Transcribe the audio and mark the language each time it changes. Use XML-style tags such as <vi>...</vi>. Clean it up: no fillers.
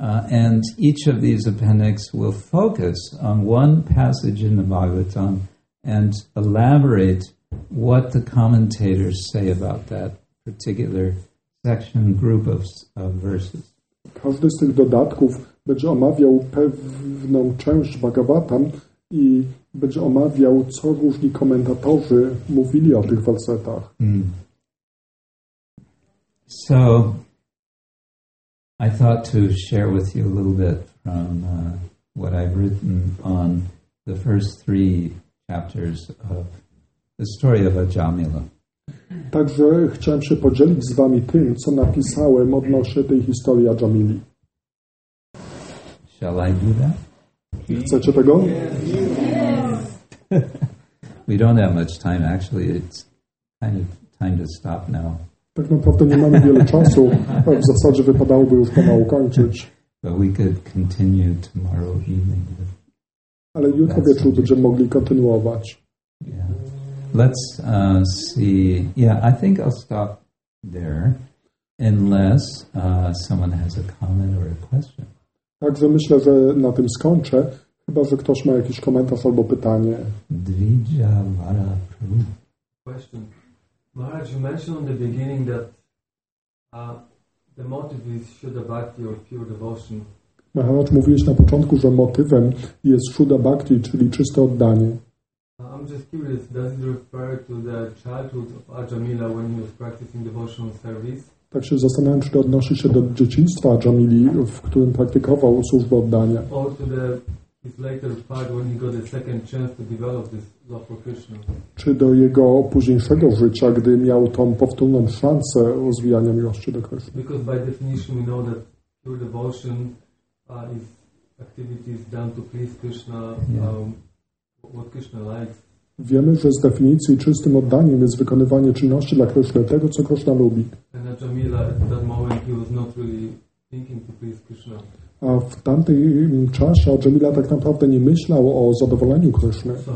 <en>And each of these appendices will focus on one passage in the Bhagavatam and elaborate what the commentators say about that particular section, group of verses.</en> <pl>Każdy z tych dodatków będzie omawiał pewną część Bhagavatam i będzie omawiał, co różni komentatorzy mówili o tych wersetach.</pl> <en>So I thought to share with you a little bit from what I've written on the first 3 chapters of the story of Jamila.</en> <pl>Także chciałem się podzielić z wami tym, co napisałem odnośnie tej historii Jamili.</pl> <en>Shall I do that?</en> <pl>Chcecie tego?</pl> <en>We don't have much time, actually. It's kind of time to stop now.</en> <pl>Tak naprawdę nie mamy wiele czasu. W zasadzie wypadałoby już pomału kończyć.</pl> <en>But we could continue tomorrow evening.</en> <pl>Ale jutro wieczór będziemy mogli kontynuować.</pl> <en>Yeah. Let's see. Yeah, I think I'll stop there unless someone has a comment or a question.</en> <pl>Także myślę, że na tym skończę. Chyba, że ktoś ma jakiś komentarz albo pytanie.</pl> <en>Dvija Vara Prabhu. Question. Maharaj, you mentioned in the beginning that the motive is Shuddha Bhakti or pure devotion.</en> <pl>Maharaj, mówiłeś na początku, że motywem jest Shuddha Bhakti, czyli czyste oddanie.</pl> <en>I'm just curious, does it refer to the childhood of Jamila when he was practicing devotional service?</en> <pl>Tak się zastanawiam, czy to odnosi się do dzieciństwa Jamili, w którym praktykował służbę oddania.</pl> <en>Or to the his later part when he got a second chance to develop this love for Krishna.</en> <pl>Czy do jego późniejszego życia, gdy miał tą powtórną szansę rozwijania miłości do Krishna?</pl> <en>Because by definition we know that pure devotion is activities done to please Krishna, what Krishna likes.</en> <pl>Wiemy, że z definicji czystym oddaniem jest wykonywanie czynności dla Krishna, tego co Krishna lubi.</pl> <en>And at Jamila at that moment he was not really thinking to please Krishna.</en> <pl>A w tamtym czasie Jamila tak naprawdę nie myślał o zadowoleniu Kryszny.</pl>